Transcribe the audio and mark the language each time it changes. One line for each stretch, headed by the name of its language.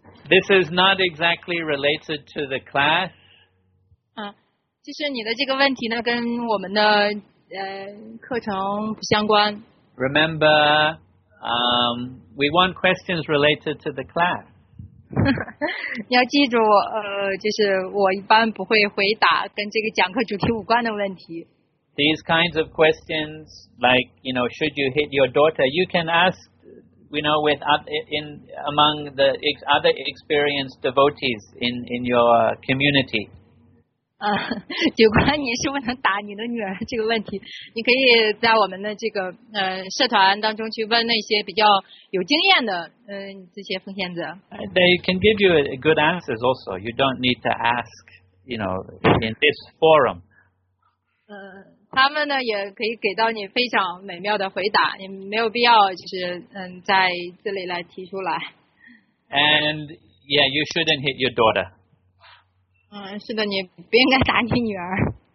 English: This is not exactly related to the class.
Chinese: 就是你的这个问题呢，跟我们的课程不相关。
English: Remember, we want questions related to the class.
Chinese: 你要记住，就是我一般不会回答跟这个讲课主题无关的问题。
English: These kinds of questions, like, you know, should you hit your daughter? You can ask, you know, among the other experienced devotees in your community.
Chinese: 有关你是不能打你的女儿这个问题，你可以在我们的这个社团当中去问那些比较有经验的这些奉献者。
English: They can give you good answers also. You don't need to ask, you know, in this forum.
Chinese: 他们呢也可以给到你非常美妙的回答，你没有必要就是在这里来提出来。
English: And yeah, you shouldn't hit your daughter.
Chinese: 是的，你不应该打你女儿。